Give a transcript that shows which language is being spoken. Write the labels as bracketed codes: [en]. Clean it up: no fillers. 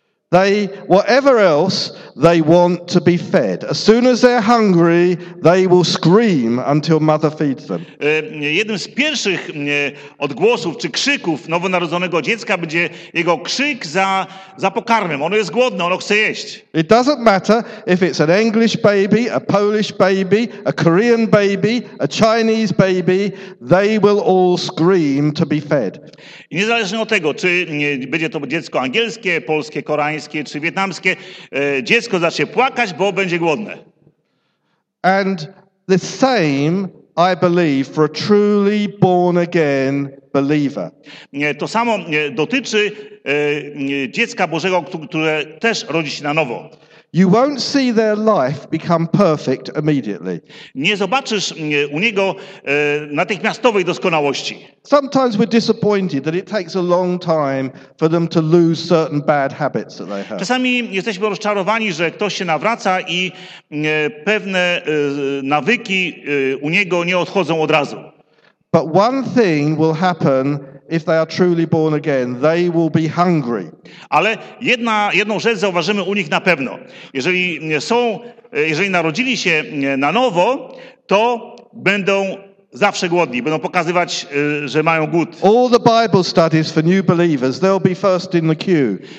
[en] They, whatever else, they want to be fed. As soon as they're hungry, they will scream until mother feeds them. [pl] Jednym z pierwszych odgłosów czy krzyków nowonarodzonego dziecka będzie jego krzyk za pokarmem. Ono jest głodne, ono chce jeść. [en] It doesn't matter if it's an English baby, a Polish baby, a Korean baby, a Chinese baby, they will all scream to be fed. [pl] I niezależnie od tego, czy będzie to dziecko angielskie, polskie, koreańskie, czy wietnamskie, dziecko zacznie płakać, bo będzie głodne. [en] And the same I believe for a truly born again believer. [pl] To samo dotyczy dziecka Bożego, które też rodzi się na nowo. [en] You won't see their life become perfect immediately. [pl] Nie zobaczysz u niego natychmiastowej doskonałości. [en] Sometimes we're disappointed that it takes a long time for them to lose certain bad habits that they have. [pl] Czasami jesteśmy rozczarowani, że ktoś się nawraca i pewne nawyki u niego nie odchodzą od razu. [en] But one thing will happen if they are truly born again, they will be hungry. [pl] Ale jedną rzecz zauważymy u nich na pewno. Jeżeli narodzili się na nowo, to będą Zawsze głodni, będą pokazywać, że mają głód. [en] All the Bible studies for new believers, they'll be first in the queue.